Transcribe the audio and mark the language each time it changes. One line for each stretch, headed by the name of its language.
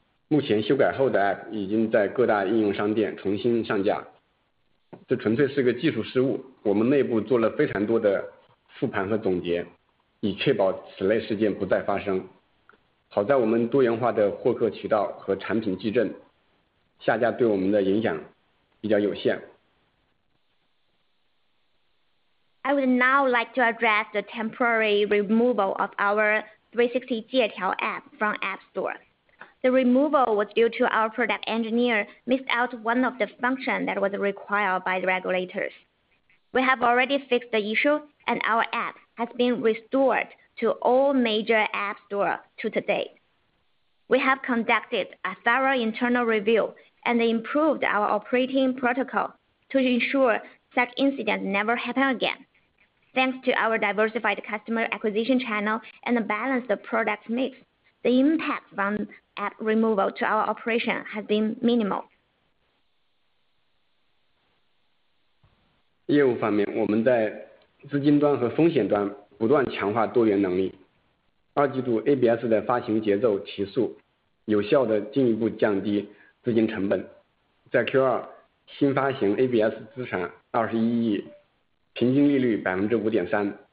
Chinese: 目前修改后的 app 已经在各大应用商店重新上架，这纯粹是个技术失误，我们内部做了非常多的复盘和总结，以确保此类事件不再发生。好在我们多元化的获客渠道和产品矩阵，下架对我们的影响比较有限。
English: I would now like to address the temporary removal of our 360借条 app from App Store. The removal was due to our product engineer missed out one of the functions that was required by the regulators. We have already fixed the issue, and our app has been restored to all major app stores to today. We have conducted a thorough internal review and improved our operating protocol to ensure such incidents never happen again. Thanks to our diversified customer acquisition channel and a balanced product mix, the impact from app removal to our operation has been minimal.
Chinese: 业务方面，我们在资金端和风险端不断强化多元能力。二季度 ABS 的发行节奏提速，有效地进一步降低资金成本。在 Q2， 新发行 ABS 资产21亿，平均利率5.3%。